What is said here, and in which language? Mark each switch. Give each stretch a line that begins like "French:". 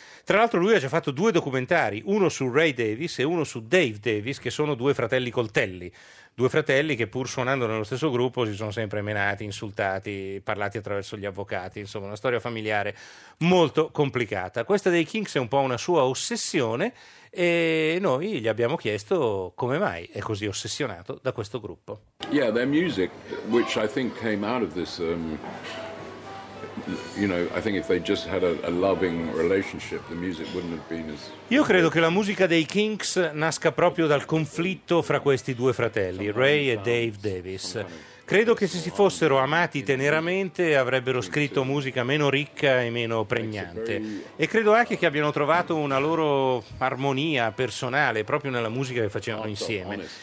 Italian: Tra l'altro lui ha già fatto 2 documentari, uno su Ray Davis e uno su Dave Davis, che sono due fratelli coltelli, due fratelli che pur suonando nello stesso gruppo si sono sempre menati, insultati, parlati attraverso gli avvocati, insomma una storia familiare molto complicata. Questa dei Kinks è un po' una sua ossessione e noi gli abbiamo chiesto come mai è così ossessionato da questo gruppo.
English: Yeah, their music, which I think came out of this... You know, I think if they just had a loving relationship, the music wouldn't have been as...
Italian: Io credo che la musica dei Kinks nasca proprio dal conflitto fra questi due fratelli, Ray e Dave Davis. Credo che se si fossero amati teneramente avrebbero scritto musica meno ricca e meno pregnante. E credo anche che abbiano trovato una loro armonia personale proprio nella musica che facevano insieme.